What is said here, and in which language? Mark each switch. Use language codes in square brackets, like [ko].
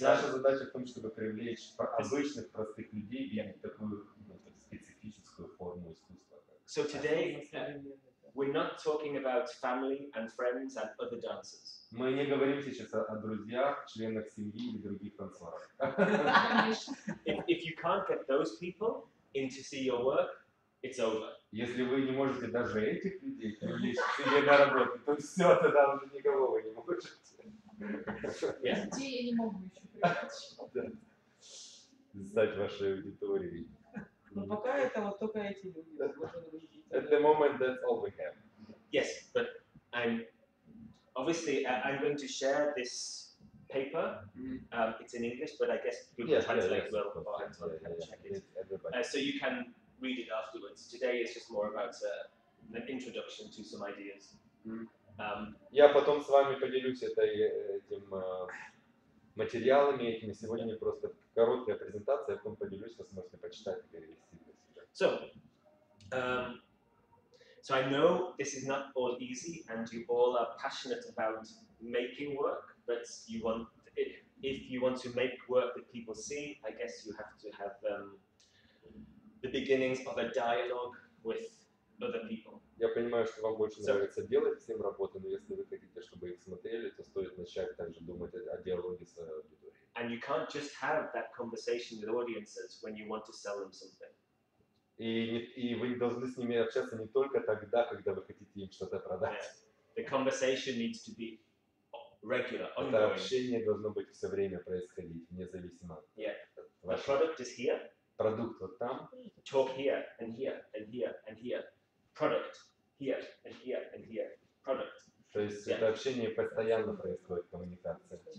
[ru] Наша задача в том, чтобы привлечь обычных простых людей в такую специфическую форму искусства. [en] So today, we're not talking about family and friends and other dancers. [ru] Мы не говорим сейчас о друзьях, членах семьи и других танцоров. [en] If you can't get those people in to see your work, it's over. [ru] Если вы не можете даже этих людей привлечь к себе на работу, то все, тогда уже никого вы не можете. Где я не могу еще привлечь? Стать вашей аудиторией. Но пока это вот только эти люди. [en] At the moment, that's all we have. Yes, but I'm going to share this paper. It's in English, but I guess Google Translate will check it. So you can read it afterwards. Today is just more about an introduction to some ideas. [ru] Я потом с вами поделюсь этим материалами этими. Сегодня не просто короткая презентация, я потом поделюсь, вы сможете почитать и перевести. [en] So I know this is not all easy, and you all are passionate about making work, but if you want to make work that people see, I guess you have to have the beginnings of a dialogue with other people. [ru] Я понимаю, что вам больше нравится делать всем работы, но если вы хотите, чтобы их смотрели, то стоит начать также думать о диалоге с аудиторией. [en] And you can't just have that conversation with audiences when you want to sell them something. [ru] И вы должны с ними общаться не только тогда, когда вы хотите им что-то продать. [en] Yes. The conversation needs to be regular, ongoing. [ru] Это общение должно быть все время происходить, независимо. [en] Yeah. The product is here. [ru] Продукт вот там. [en] Talk here and here and here and here. Product here and here and here. Product. [ru] То есть это общение постоянно происходит, коммуникация.